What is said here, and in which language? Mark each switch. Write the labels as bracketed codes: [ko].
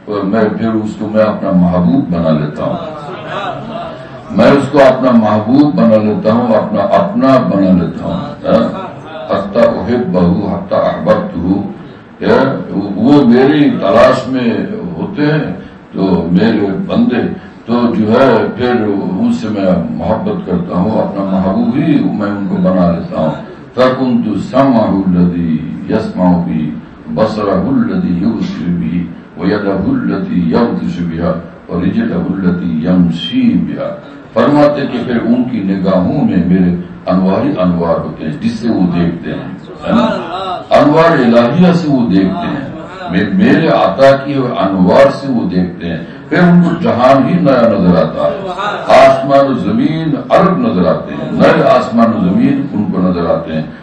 [ur] میں اس کو اپنا محبوب بنا لیتا ہوں، میں اس کو اپنا محبوب بنا لیتا ہوں، اپنا بنا لیتا ہوں، [ar] حتی احب بہو حتی احببت ہو. [ur] وہ میری تلاش میں ہوتے ہیں تو میرے بندے، تو جو ہے پھر ان سے میں محبت کرتا ہوں، اپنا محبوب ہی میں ان کو بنا لیتا ہوں. [ar] فكنت سمعه الذي يسمع بي بصره الذي يبصر بي ويده التي يبطش بها ورجله التي يمشي بها. [ur] فرماتے کہ پھر ان کی نگاہوں میں میرے انوار ہی انوار ہوتے ہیں جس سے وہ دیکھتے ہیں, انوار الہیہ سے وہ دیکھتے ہیں, میرے عطا کی انوار سے وہ دیکھتے ہیں. پھر ان کو جہان ہی نیا نظر آتا ہے, آسمان و زمین عرب نظر آتے ہیں, نئے آسمان و زمین ان کو نظر آتے ہیں.